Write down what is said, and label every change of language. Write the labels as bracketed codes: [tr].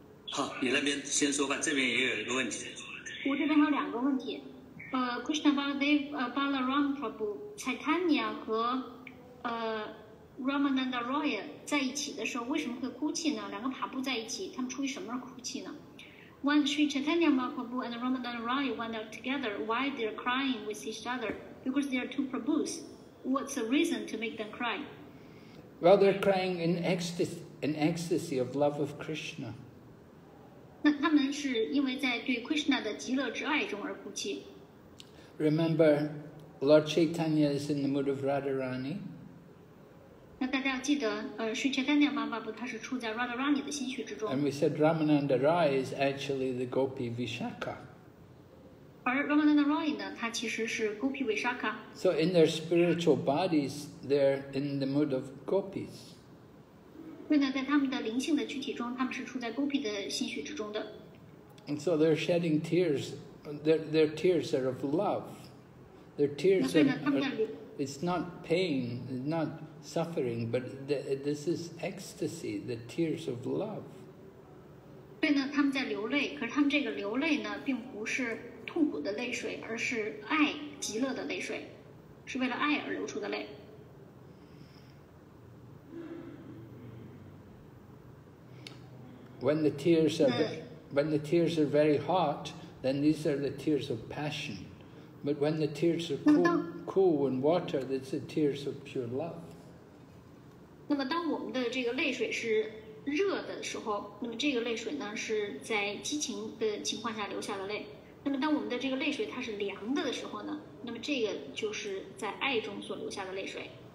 [zh] 好，你那边先说吧，这边也有一个问题。我这边还有两个问题。Krishna Baladev, Balaram Prabhu, Chaitanya 和Ramananda Roy 在一起的时候为什么会哭泣呢？两个爬布在一起，他们出于什么而哭泣呢？ [en] When Sri Chaitanya Mahaprabhu and Ramananda Roy went out together, why they're crying with each other? Because they are two Prabhus. What's the reason to make them cry? Well, they're crying in ecstasy of love of Krishna. [zh] 那他们是因为在对 Krishna 的极乐之爱中而哭泣。 [en] Remember, Lord Chaitanya is in the mood of Radharani. [zh] 那大家要记得，Sri Chaitanya Mahaprabhu 他是处在 Radharani 的心绪之中。 [en] And we said Ramananda Roy is actually the Gopi Vishakha. [zh] 而 Ramananda Roy 呢，他其实是 Gopi Vishakha. [en] So in their spiritual bodies, they're in the mood of Gopis. [zh] 所以呢，在他们的灵性的躯体中，他们是处在 Gopi 的心绪之中的。 [en] And so they're shedding tears. Their tears are of love. Their tears are. It's not pain. It's not. Suffering, but this is ecstasy, the tears of love. [zh] 对呢，他们在流泪，可是他们这个流泪呢，并不是痛苦的泪水，而是爱极乐的泪水，是为了爱而流出的泪。 [en] When the tears are very hot, then these are the tears of passion. But when the tears are cool in water, that's the tears of pure love. [zh] 那么当我们的这个泪水是热的时候，那么这个泪水呢是在激情的情况下流下的泪。那么当我们的这个泪水它是凉的时候呢，那么这个就是在爱中所流下的泪水。